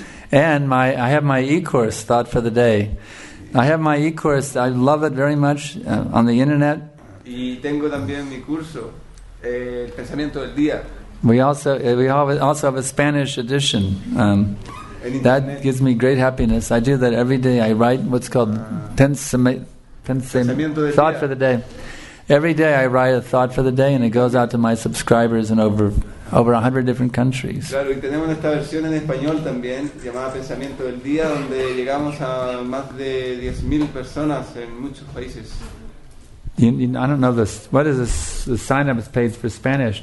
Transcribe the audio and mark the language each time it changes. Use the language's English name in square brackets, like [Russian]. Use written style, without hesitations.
[English] And I have my e-course, Thought for the Day. I have my e-course, I love it very much, on the internet. [Spanish] Y tengo también mi curso, El Pensamiento del Día. [English] We also have a Spanish edition. That gives me great happiness. I do that every day. I write what's called thought for the day. Every day I write a thought for the day, and it goes out to my subscribers in over 100 different countries. [Spanish] Claro, y tenemos esta versión en español también, llamada Pensamiento del Día, donde llegamos a más de 10,000 personas en muchos países. [English] I don't know this. What is the sign-up page for Spanish?